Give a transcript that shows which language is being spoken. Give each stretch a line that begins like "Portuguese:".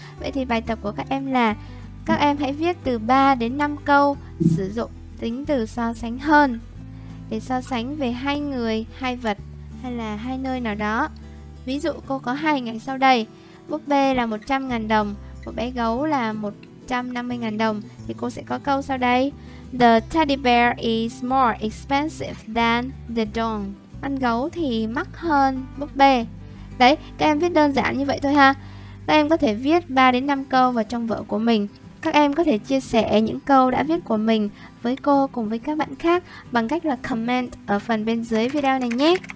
Vietnamese: Vậy thì bài tập của các em là các em hãy viết từ 3 đến 5 câu sử dụng tính từ so sánh hơn để so sánh về hai người, hai vật hay là hai nơi nào đó. Ví dụ cô có hai hình ảnh sau đây. Búp bê là 100.000 đồng, một bé gấu là 150.000 đồng, thì cô sẽ có câu sau đây.
English: The teddy bear is more expensive than the doll.
Vietnamese: Con gấu thì mắc hơn búp bê. Đấy, các em viết đơn giản như vậy thôi ha. Các em có thể viết 3 đến 5 câu vào trong vở của mình. Các em có thể chia sẻ những câu đã viết của mình với cô cùng với các bạn khác bằng cách là comment ở phần bên dưới video này nhé.